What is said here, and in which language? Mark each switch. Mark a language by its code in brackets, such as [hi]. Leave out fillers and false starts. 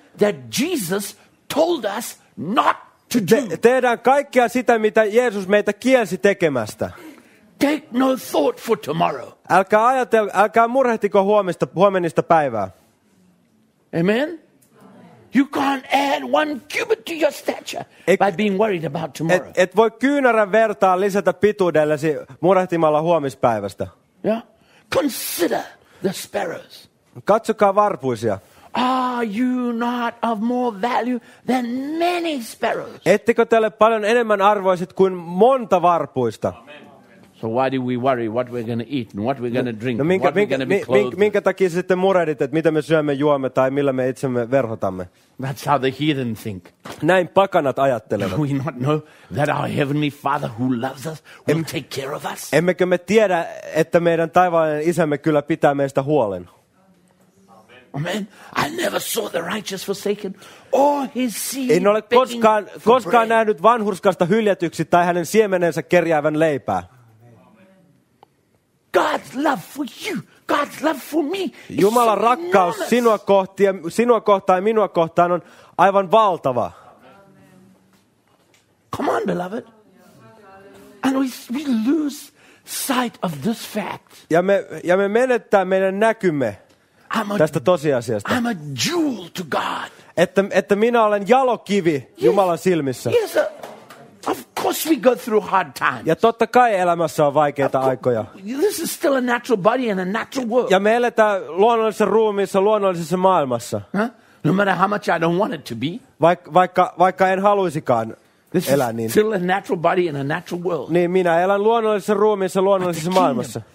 [en] that Jesus told us not. [fi] Tehdään kaikkea sitä, mitä Jeesus meitä kielsi tekemästä. [en] Take no thought for tomorrow. [fi] Älkää murehtiko huomenista päivää. Amen. [en] You can't add one cubit to your stature by being worried about tomorrow. [fi] Et voi kyynärän vertaa lisätä pituudellesi murehtimalla huomispäivästä. [en] Yeah. Consider the sparrows. [fi] Katsokaa varpuisia. [en] Are you not of more value than many sparrows? [fi] Ettekö te ole paljon enemmän arvoiset kuin monta varpuista? Amen. [en] So why do we worry what we're going to eat and what we're going to drink? [fi] Minkä takia sitten murehdit, että mitä me syömme, juomme tai millä me itsemme verhotamme? [en] That's how the heathen think. [fi] Näin pakanat ajattelevat. [en] Do we not know that our heavenly Father who loves us will take care of us? [fi] Emmekö me tiedä, että meidän taivaallinen isämme kyllä pitää meistä huolen? Amen. [en] I never saw the righteous forsaken or his seed. [fi] En ole koskaan nähnyt vanhurskasta hyljätyksi tai hänen siemenensä kerjäävän leipää. Amen. [en] God's love for you, God's love for me. [fi] Jumalan rakkaus sinua kohtaan ja minua kohtaan on aivan valtava. [en] Amen. Come on, beloved. And we lose sight of this fact. [fi] Ja me menettää meidän näkymme. Tästä tosiasiasta. [en] I'm a jewel to God. [fi] Että minä olen jalokivi, yes, Jumalan silmissä. [en] Yes, of course we go through hard times. [fi] Ja totta kai elämässä on vaikeita aikoja. [en] This is still a natural body and a natural world. [fi] Ja me eletään luonnollisessa ruumiissa, luonnollisessa maailmassa. Huh? [en] No matter how much I don't want it to be. [fi] Vaikka en haluisikaan [en] this [fi] elää niin. [en] This is still a natural body and a natural world. [fi] Niin, minä elän luonnollisessa ruumiissa, luonnollisessa maailmassa.